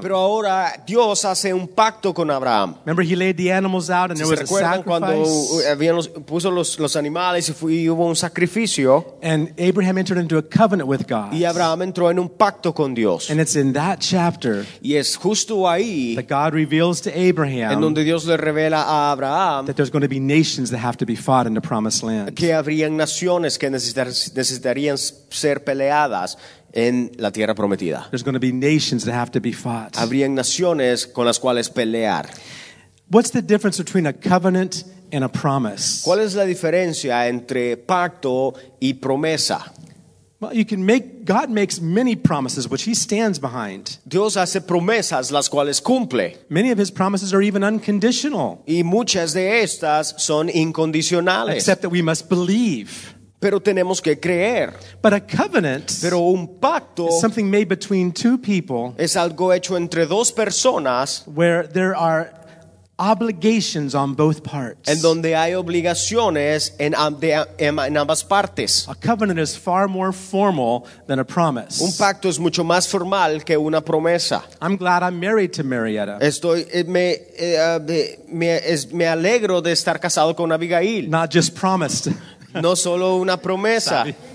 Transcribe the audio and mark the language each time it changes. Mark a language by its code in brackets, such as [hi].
[es] Pero ahora Dios hace un pacto con Abraham. [en] Remember, he laid the animals out and there was a sacrifice. [es] Cuando puso los animales y hubo un sacrificio. [en] And Abraham entered into a covenant with God. [es] Y Abraham entró en un pacto con Dios. [en] And it's in that chapter. [es] Y es justo ahí. [en] That God reveals to Abraham. [es] En donde Dios le revela a Abraham. [en] That there's going to be nations that have to be fought in the promised land. [es] Que habrían naciones que necesitarían ser peleadas en la tierra prometida. [en] There's going to be nations that have to be fought. [es] Habrían naciones con las cuales pelear. [en] What's the difference between a covenant and a promise? [es] ¿Cuál es la diferencia entre pacto y promesa? [en] Well, you can make God makes many promises which he stands behind. [es] Dios hace promesas las cuales cumple. [en] Many of his promises are even unconditional. [es] Y muchas de estas son incondicionales. [en] Except that we must believe. [es] Pero tenemos que creer. [en] But a covenant, [es] pero un pacto, [en] is something made between two people, [es] es algo hecho entre dos personas, [en] where there are obligations on both parts. [es] En donde hay obligaciones en ambas partes. [en] A covenant is far more formal than a promise. [es] Un pacto es mucho más formal que una promesa. [en] I'm glad I'm married to Marietta. [es] Me alegro de estar casado con Abigail. [en] Not just promised. [es] No solo una promesa.